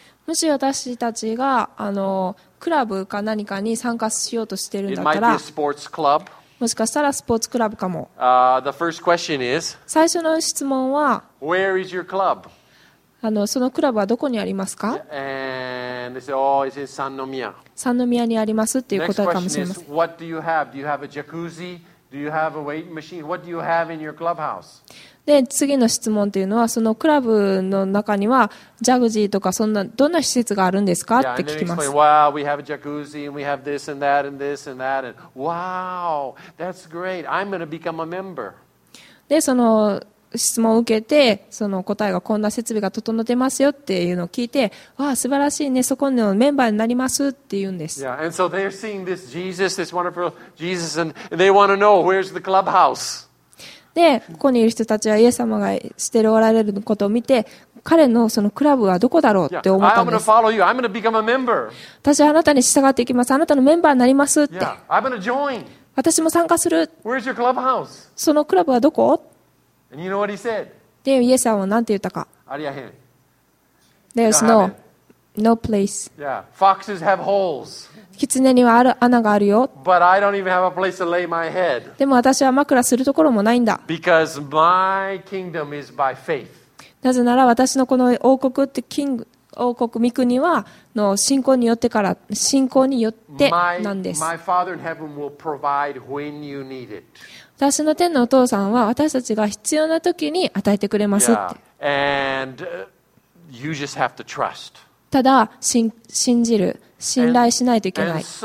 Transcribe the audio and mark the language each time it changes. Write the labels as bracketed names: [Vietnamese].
[Japanese] もし私たちがあのクラブか何かに参加しようとしているんだったら、もしかしたらスポーツクラブかも。 [English] The first question is, [Japanese] 最初の質問は、 [English] Where is your club? [Japanese] あのそのクラブはどこにありますか？ [English] And they say, oh, it's in 三宮。 [Japanese] 三宮にありますっていう答えかもしれません。 [English] Next question is, what do you have? Do you have a jacuzzi? Do you have a weight machine? What do you have in your clubhouse? [Japanese] で次の質問というのは、そのクラブの中にはジャグジーとか、そんなどんな施設があるんですかって聞きます。 [English] Wow, we have a jacuzzi and we have this and that and this and that and wow, that's great. I'm going to become a member. [Japanese] でその質問を受けて、その答えがこんな設備が整ってますよっていうのを聞いて、わあ素晴らしいね、そこのメンバーになりますって言うんです。 [English] Yeah, and so they're seeing this Jesus, this wonderful Jesus, and they want to know where's the clubhouse. [Japanese] でここにいる人たちはイエス様がしておられることを見て、彼のそのクラブはどこだろうって思ったんです。 [English] Yeah, I'm gonna become a member. [Japanese] 私はあなたに従っていきます。あなたのメンバーになりますって。 [English] Yeah, I'm gonna join. [Japanese] 私も参加する。 [English] Where's your clubhouse? [Japanese] そのクラブはどこ？ [English] And you know what he said? [Japanese] でイエス様は何て言ったか。ありゃへん。 [English] There's no, no place. Yeah, foxes have holes. [Japanese] 狐にはある穴があるよ。 [English] But I don't even have a place to lay my head. [Japanese] でも私は枕するところもないんだ。 [English] Because my kingdom is by faith. [Japanese] なぜなら私のこの王国って王国御国はの信仰によってから信仰によってなんです。 [English] My Father in heaven will provide when you need it. [Japanese] 私の天のお父さんは私たちが必要な時に与えてくれますって。 [English] Yeah. And you just have to trust. [Japanese] ただ信じる、信頼しないといけない。